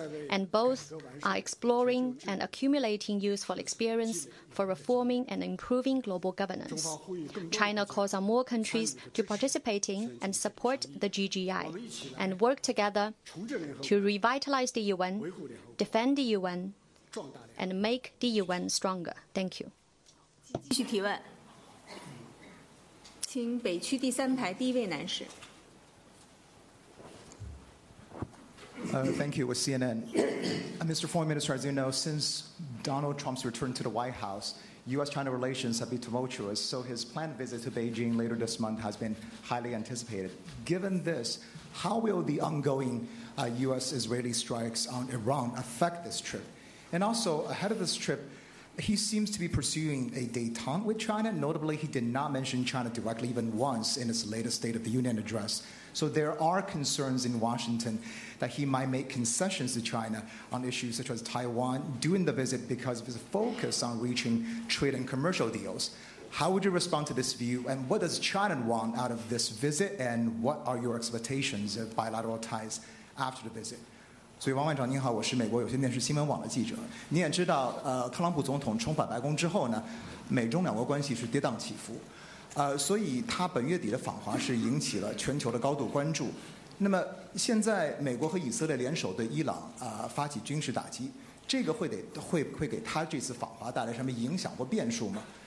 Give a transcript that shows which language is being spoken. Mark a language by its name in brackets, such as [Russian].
[English] And both are exploring and accumulating useful experience for reforming and improving global governance. China calls on more countries to participate in and support the GGI and work together to revitalize the UN, defend the UN, and make the UN stronger. Thank you. [Chinese] 继续提问，请北区第三排第一位男士。 [English] Thank you, with CNN. Mr. Foreign Minister, as you know, since Donald Trump's return to the White House, U.S.-China relations have been tumultuous, so his planned visit to Beijing later this month has been highly anticipated. Given this, how will the ongoing U.S.-Israeli strikes on Iran affect this trip? And also, ahead of this trip, he seems to be pursuing a détente with China. Notably, he did not mention China directly even once in his latest State of the Union address. So there are concerns in Washington that he might make concessions to China on issues such as Taiwan during the visit because of his focus on reaching trade and commercial deals. How would you respond to this view, and what does China want out of this visit, and what are your expectations of bilateral ties after the visit? [Chinese] 所以王外长您好，我是美国有线电视新闻网的记者。你也知道，特朗普总统重返白宫之后呢，美中两国关系是跌宕起伏，所以他本月底的访华是引起了全球的高度关注。那么现在美国和以色列联手对伊朗发起军事打击，这个会给他这次访华带来什么影响或变数吗？